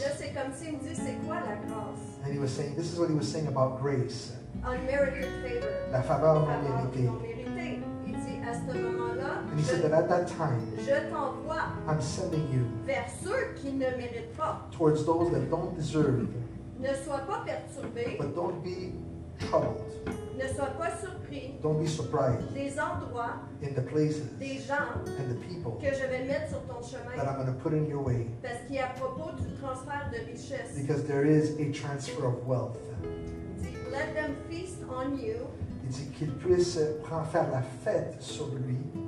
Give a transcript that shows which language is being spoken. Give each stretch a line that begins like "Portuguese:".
French: Là, c'est comme si il me dit, c'est quoi la grâce?
English: And he was saying, this is what he was saying about grace. Unmerited favor.
French: La faveur non méritée. Il dit, à ce
English: And he said that at that time,
French: je t'envoie
English: I'm sending you
French: vers ceux qui ne méritent pas.
English: Towards those that don't deserve.
French: Ne sois pas perturbé.
English: But don't be troubled.
French: Ne sois pas surpris.
English: Don't be surprised.
French: Des endroits,
English: in the places,
French: des gens,
English: and the people
French: que je vais mettre sur ton chemin,
English: that I'm going to put in your way.
French: Parce qu'il y a à propos du transfert de richesse.
English: Because there is a transfer of wealth. Let them feast on you.
French: Il dit qu'ils puissent faire la fête sur lui.